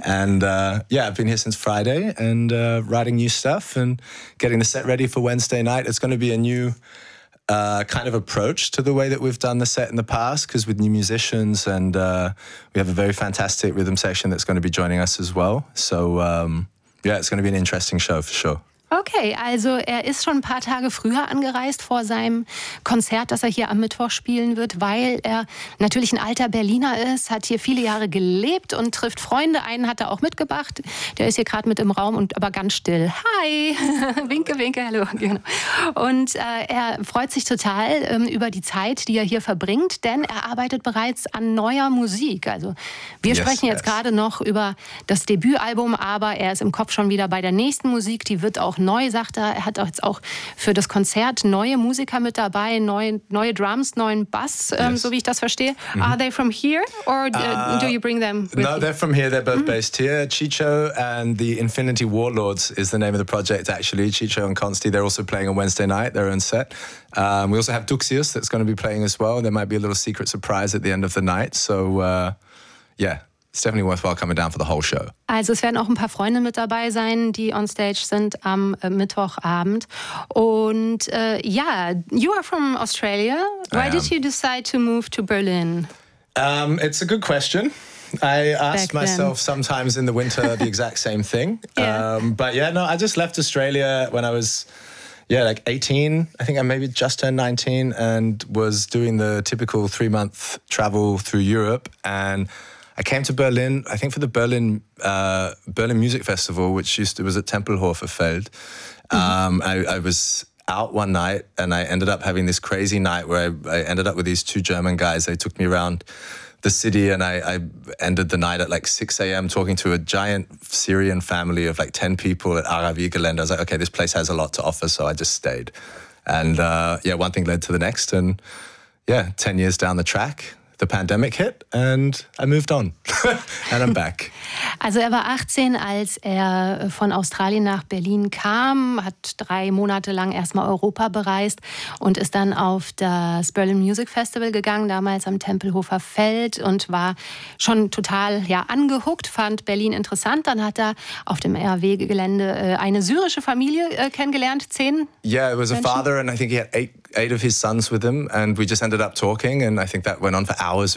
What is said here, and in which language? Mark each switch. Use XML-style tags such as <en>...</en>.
<en>And yeah, I've been here since Friday and writing new stuff and getting the set ready for Wednesday night. It's going to be a new kind of approach to the way that we've done the set in the past, because with new musicians and we have a very fantastic rhythm section that's going to be joining us as well. So yeah, it's going to be an interesting show for sure.</en> <de>Okay, also er ist schon ein paar Tage früher angereist vor seinem Konzert, das er hier am Mittwoch spielen wird, weil er natürlich ein alter Berliner ist, hat hier viele Jahre gelebt und trifft Freunde. Einen hat er auch mitgebracht, der ist hier gerade mit im Raum und aber ganz still. Hi, winke, winke, hallo. Genau. Und er freut sich total über die Zeit, die er hier verbringt, denn er arbeitet bereits an neuer Musik. Also wir sprechen jetzt gerade noch über das Debütalbum, aber er ist im Kopf schon wieder bei der nächsten Musik, die wird auch neu, sagt er. Er hat jetzt auch für das Konzert neue Musiker mit dabei, neue Drums, neuen Bass, so wie ich das verstehe. Mm-hmm.</de> <en>Are they from here or do you bring them with No, you? They're from here. They're both based here. Chicho and the Infinity Warlords is the name of the project, actually. Chicho and Consti, they're also playing on Wednesday night, their own set. We also have Duxius that's going to be playing as well. There might be a little secret surprise at the end of the night. So, yeah. It's definitely worthwhile coming down for the whole show.</en> <de>Also es werden auch ein paar Freunde mit dabei sein, die</de> <en>on stage</en> <de>sind am Mittwochabend.</de> <en>Und yeah, you are from Australia. Why did you decide to move to Berlin? It's a good question. I asked myself sometimes in the winter the exact same thing. Yeah. But yeah, no, I just left Australia when I was, like 18. I think I maybe just turned 19 and was doing the typical three-month travel through Europe. And I came to Berlin, I think for the Berlin Berlin Music Festival, which used to, was at Tempelhofer Feld. I was out one night and I ended up having this crazy night where I ended up with these two German guys. They took me around the city and I ended the night at like 6 a.m. talking to a giant Syrian family of like 10 people at Aravigelände. I was like, okay, this place has a lot to offer. So I just stayed. And yeah, one thing led to the next. And yeah, 10 years down the track, the pandemic hit and I moved on and I'm back.</en> <de>Also er war 18, als er von Australien nach Berlin kam, hat drei Monate lang erstmal Europa bereist und ist dann auf das Berlin Music Festival gegangen, damals am Tempelhofer Feld, und war schon total angehuckt, fand Berlin interessant. Dann hat er auf dem RAW-Gelände eine syrische Familie kennengelernt, 10</de> <en>Yeah, it was</en> <de>Menschen.</de> <en>A father and I think he had eight of his sons with him, and we just ended up talking, and I think that went on for hours.</en>